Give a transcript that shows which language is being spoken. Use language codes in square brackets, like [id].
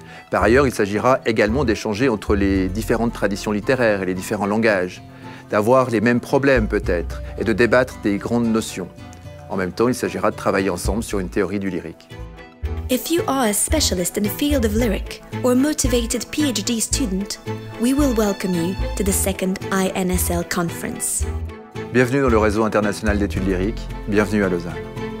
[fr] Par ailleurs, il s'agira également d'échanger entre les différentes traditions littéraires et les différents langages, d'avoir les mêmes problèmes peut-être, et de débattre des grandes notions. En même temps, il s'agira de travailler ensemble sur une théorie du lyrique. [en] If you are a specialist in the field of lyric or a motivated PhD student, we will welcome you to the second INSL conference. [fr] Bienvenue dans le réseau international d'études lyriques. Bienvenue à Lausanne.